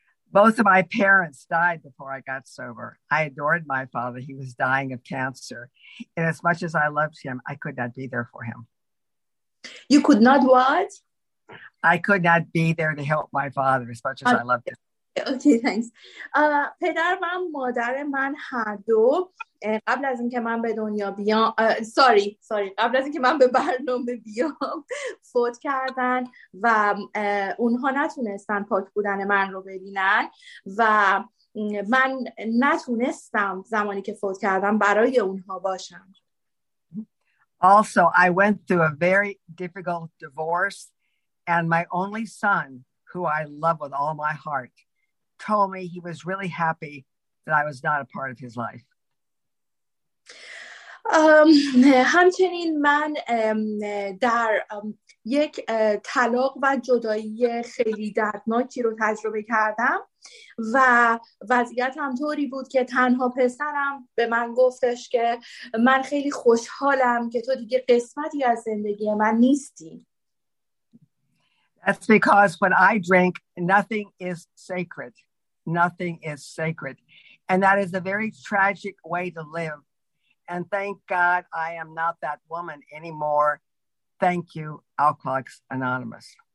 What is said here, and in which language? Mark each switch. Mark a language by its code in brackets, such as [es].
[en] Both of my parents died before I got sober. I adored my father. He was dying of cancer. And as much as I loved him, I could not be there for him. You could not what? I could not be there to help my father as much as I loved him. Okay, thanks. [fa] پدر و مادر من هر دو قبل از اینکه من به دنیا بیام قبل از اینکه من به برنامه بیام فوت کردن و اونها نتونستن پاک بودن من رو ببینن و من نتونستم زمانی که فوت کردم برای اونها باشم. [en] Also, I went through a very difficult divorce and my only son, who I love with all my heart, told me he was really happy that I was not a part of his life. [fa] همچنین من در یک طلاق و جدایی خیلی دردناکی رو تجربه کردم و وضعیت هم طوری بود که تنها پسرم به من گفتش که من خیلی خوشحالم که تو دیگه قسمتی از زندگی من نیستی. [en] That's because when I drink, nothing is sacred. Nothing is sacred. And that is a very tragic way to live. And thank God I am not that woman anymore. Thank you, Alcoholics Anonymous.